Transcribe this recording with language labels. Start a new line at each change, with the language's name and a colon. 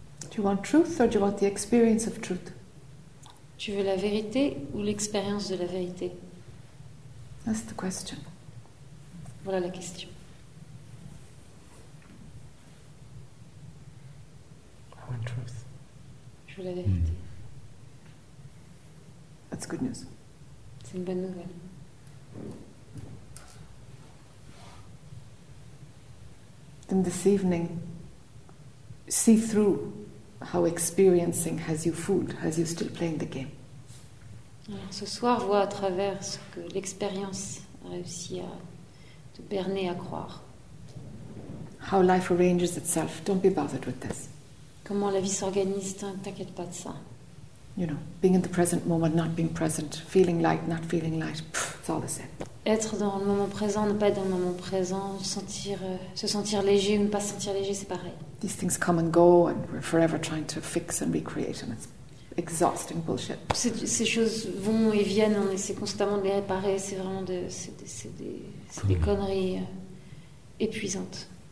English: Do you want truth or do you want the experience of truth?
French: Tu veux la vérité ou l'expérience de la vérité?
English: That's the question.
French: Voilà la question.
English: I want truth.
French: Je veux la vérité.
English: That's good news.
French: C'est une bonne nouvelle.
English: Then this evening, see through how experiencing has you fooled, has you still playing the game.
French: Alors, ce soir, vois à travers ce que l'expérience a réussi à te berner à croire.
English: How life arranges itself, don't be bothered with this.
French: Comment la vie s'organise, t'inquiète pas de ça.
English: You know, being in the present moment, not being present, feeling light, not feeling light, it's all the same.
French: Être dans le moment présent, ne pas être dans le moment présent, se sentir léger ou ne pas se sentir léger, c'est pareil.
English: These things come and go, and we're forever trying to fix and recreate, and it's exhausting bullshit.
French: Ces choses vont et viennent, on essaie constamment de les réparer, c'est vraiment des conneries épuisantes.